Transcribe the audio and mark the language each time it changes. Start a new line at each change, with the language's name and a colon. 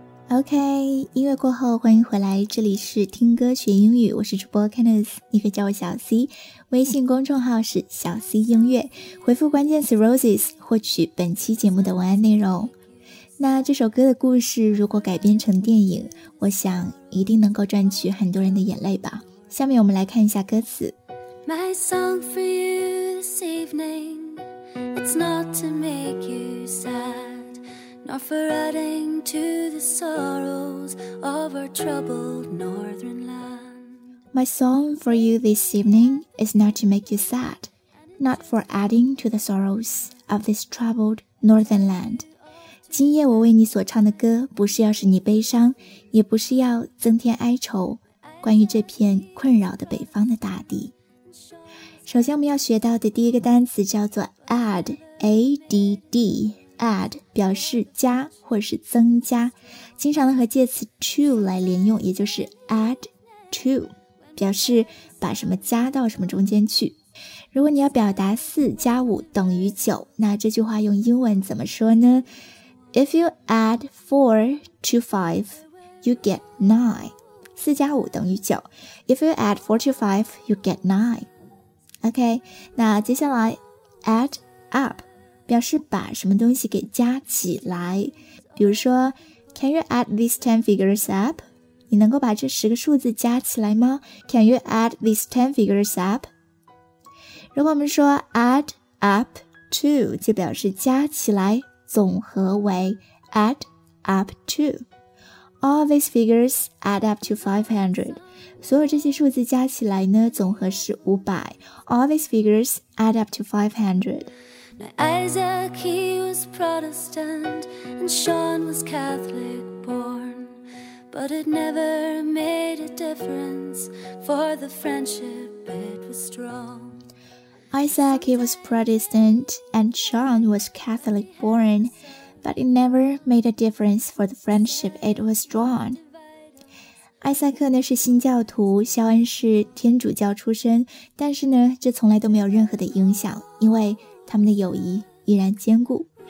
Chinese: OK, 音乐过后欢迎回来，这里是听歌学英语，我是主播 Candice， 你可以叫我小 C， 微信公众号是小 C 音乐，回复关键词 Roses 获取本期节目的文案内容。那这首歌的故事如果改编成电影，我想一定能够赚取很多人的眼泪吧。下面我们来看一下歌词。
English: My song for you this evening, it's not to make you sad, nor for adding to the sorrows of our troubled northern land. My song for you this evening is not to make you sad, not for adding to the sorrows of this troubled northern land.
Chinese: 今夜我为你所唱的歌不是要使你悲伤，也不是要增添哀愁，关于这片困扰的北方的大地。首先我们要学到的第一个单词叫做 add, A-D-D,add 表示加或是增加，经常和介词 to 来连用，也就是 add to， 表示把什么加到什么中间去。如果你要表达4加5等于9，那这句话用英文怎么说呢？
English: If you add 4 to 5, you get 9.
Chinese: 4加5等于9。
English: If you add 4 to 5, you get 9.
Chinese: OK, 那接下来 add up表示把什么东西给加起来，比如说
English: Can you add these 10 figures up?
Chinese: 你能够把这10个数字加起来吗？
English: Can you add these 10 figures up?
Chinese: 如果我们说 add up to 就表示加起来总和为 add up to.
English: All these figures add up to 500.
Chinese: 所有这些数字加起来呢总和是500。
English: All these figures add up to 500. Now Isaac, he was Protestant, and Sean was Catholic born. But it never made a difference, for the friendship, it was strong. Isaac, he was Protestant, and Sean was Catholic born. But it never made a difference, for the friendship, it was strong.
Chinese: Isaac 呢是新教徒，肖恩是天主教出身，但是呢，这从来都没有任何的影响，因为他们的友谊依然坚固。